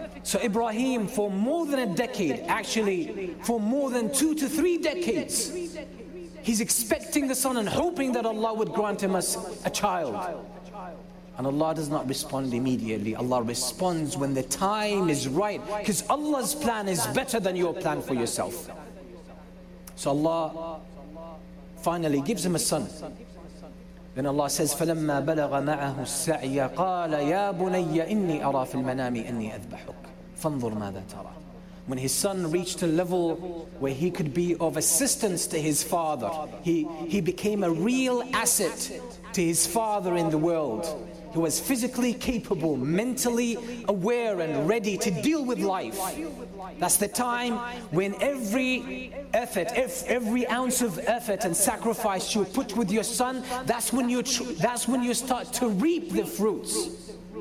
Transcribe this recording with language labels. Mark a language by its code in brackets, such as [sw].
[en] So Ibrahim, for more than a decade, actually for more than 2 to 3 decades, he's expecting the son and hoping that Allah would grant him a child. And Allah does not respond immediately. Allah responds when the time is right, because Allah's plan is better than your plan for yourself. So Allah finally gives him a son. Then Allah says, [ar] فَلَمَّا بَلَغَ مَعَهُ السَّعْيَ قَالَ يَا بُنَيَّ إِنِّي أَرَى فِي الْمَنَامِ أَنِّي أَذْبَحُكَ فَانْظُرْ مَاذَا تَرَى. [en] When his son reached a level where he could be of assistance to his father, he became a real asset to his father in the world. He was physically capable, mentally aware and ready to deal with life. That's the time when every effort, every ounce of effort and sacrifice you put with your son, that's when you start to reap the fruits.